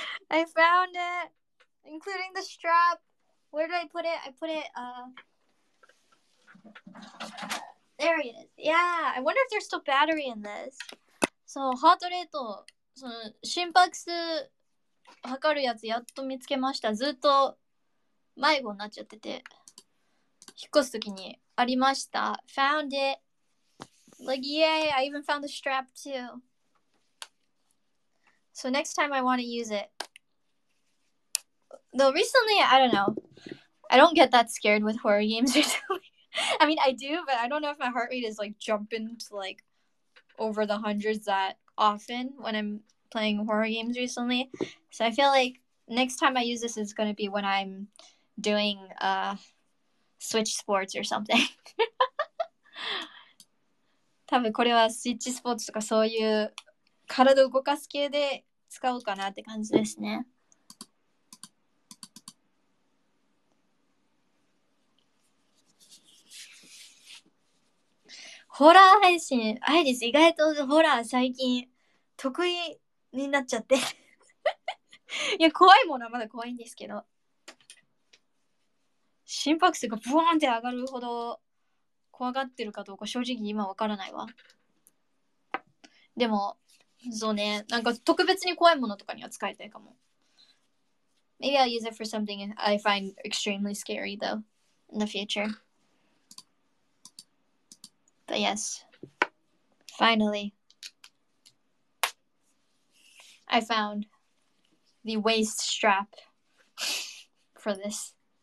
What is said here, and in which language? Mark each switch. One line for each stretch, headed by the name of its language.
English: I found it, including the strap. Where did I put it? I put it, there it is. Yeah, I wonder if there's still battery in this. So, heart rate, so,
Japanese: 心拍数測るやつやっと見つけました。ずっと迷子になっちゃってて引っ越すときにありました。
English: Found it. Like, yay, I even found the strap too. So next time I want to use it. Though recently, I don't know, I don't get that scared with horror games recently. I mean, I do, but I don't know if my heart rate is like jumping to like over the hundreds that often when I'm playing horror games recently. So I feel like next time I use this is going to be when I'm doing Switch sports or something.
Japanese: 多分これは Switch sports とかそういう体を動かす系で使おうかなって感じですね。ホラー配信、アイリス意外とホラー最近得意になっちゃって。いや、怖いものはまだ怖いんですけど。心拍数がブワーンって上がるほど怖がってるかどうか正直今わからないわ。でもそうね、なんか特別に怖いものとかには使いたいかも。
English: Maybe I'll use it for something I find extremely scary though in the future. But yes, finally I found the waist strap for this.